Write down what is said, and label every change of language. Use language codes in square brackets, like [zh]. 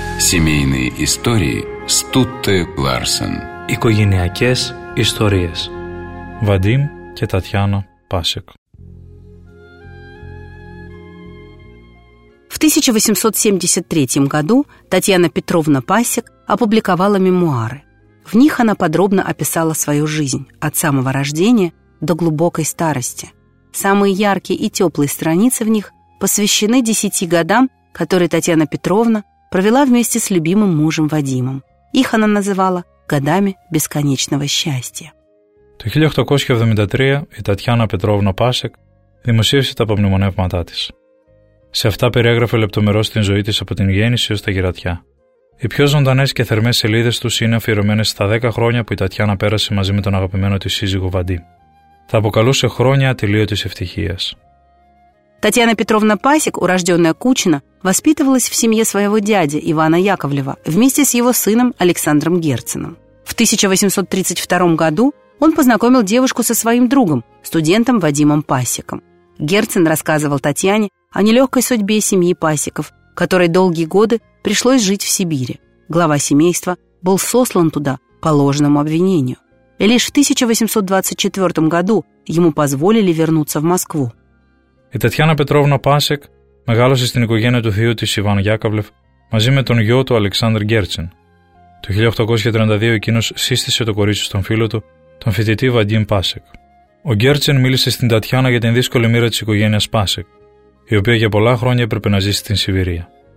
[ru] Семейные истории Стутте Ларсен. [el] Οικογενειακές ιστορίες. Βαντίμ και Τατιάνα Πάσεκ. [ru] В 1873 году Татьяна Петровна Пасек опубликовала мемуары. В них она подробно описала свою жизнь от самого рождения до глубокой старости. Самые яркие и теплые страницы в них посвящены 10 годам, которые Татьяна Петровна провела вместе с любимым мужем Вадимом. Их она называла «годами бесконечного счастья». В 1873 Татьяна Петровна Пасек [el] δημοσίευσε τα απομνημονεύματά της. Σε αυτά περιέγραφε λεπτομερώς την ζωή της από την γέννηση ως τα γερατιά. Οι πιο ζωντανές και θερμές σελίδες τους είναι αφιερωμένες στα 10 χρόνια που η Τατιάνα πέρασε μαζί με τον αγαπημένο της σύζυγο Βαντί. Θα αποκαλούσε χρόνια ατελείωτης ευτυχίας. [ru] Τατιάνα Πετρόβνα Пасек, урождённая Кучина, воспитывалась в семье своего дяди Ивана Яковлева вместе с его сыном Александром Герценом. В 1832 году он познакомил девушку со своим другом, студентом Вадимом Пасеком. Герцен рассказывал Татьяне о нелегкой судьбе семьи Пасеков, которой долгие годы пришлось жить в Сибири. Глава семейства был сослан туда по ложному обвинению. И лишь в 1824 году ему позволили вернуться в Москву. [el] Η Τατιάνα Πετρόβνα Πάσεκ μεγάλωσε στην οικογένεια του θείου της Ιβάν Γιάκοβλεφ μαζί με τον γιο του Αλεξάνδρ Γκέρτσεν. Το 1832 εκείνος σύστησε το κορίτσι στον φίλο του, τον φοιτητή Βαντίν Πάσεκ. Ο Γκέρτσεν μίλησε στην Τατιάνα για την δύσκολη μοίρα της οικογένειας Πάσεκ, η οποία για πολλά χρόνια έπρεπε να ζήσει στην Σιβηρία.